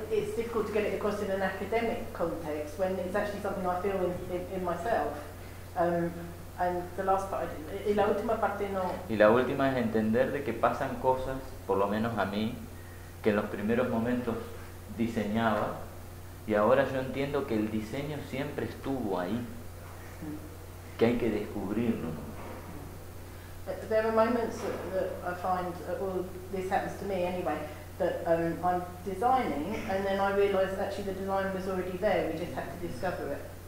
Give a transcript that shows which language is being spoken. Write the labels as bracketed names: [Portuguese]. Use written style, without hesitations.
[English] It's difficult to get it across in an academic context when it's actually something I feel in myself. And the last part. [Spanish] Y la última parte no. Y la última es entender de que pasan cosas, por lo menos a mí, que en los primeros momentos diseñaba. Y ahora yo entiendo que el diseño siempre estuvo ahí, que hay que descubrirlo. [English] There are moments that I find, well, this happens to me anyway, that I'm designing and then I realize actually the design was already there, we just have to discover it.